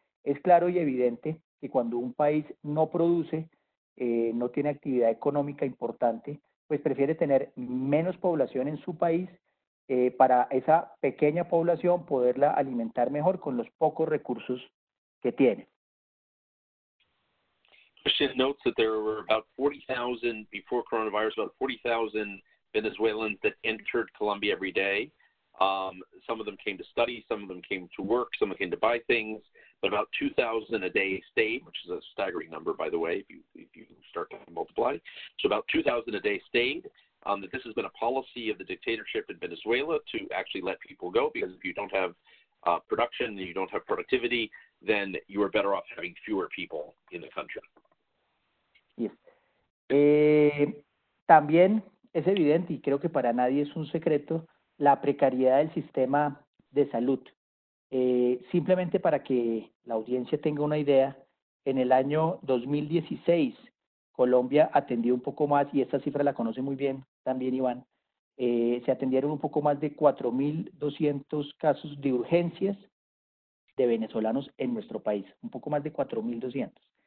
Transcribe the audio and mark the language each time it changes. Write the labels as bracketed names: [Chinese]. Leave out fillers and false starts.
[Spanish] Es claro y evidente que cuando un país no produce, no tiene actividad económica importante, pues prefiere tener menos población en su país para esa pequeña población poderla alimentar mejor con los pocos recursos que tiene. [English] Christian notes that there were about 40,000 before coronavirus, about 40,000 Venezuelans that entered Colombia every day. Some of them came to study, some of them came to work, some of them came to buy things, but about 2,000 a day stayed, which is a staggering number, by the way, if you start to multiply. So about 2,000 a day stayed. That this has been a policy of the dictatorship in Venezuela to actually let people go, because if you don't have production and you don't have productivity, then you are better off having fewer people in the country. Yes. [Spanish] También es evidente, y creo que para nadie es un secreto, la precariedad del sistema de salud. Simplemente para que la audiencia tenga una idea, en el año 2016, Colombia atendió un poco más, y esta cifra la conoce muy bien también Iván, se atendieron un poco más de 4,200 casos de urgencias de venezolanos en nuestro país, un poco más de 4,200.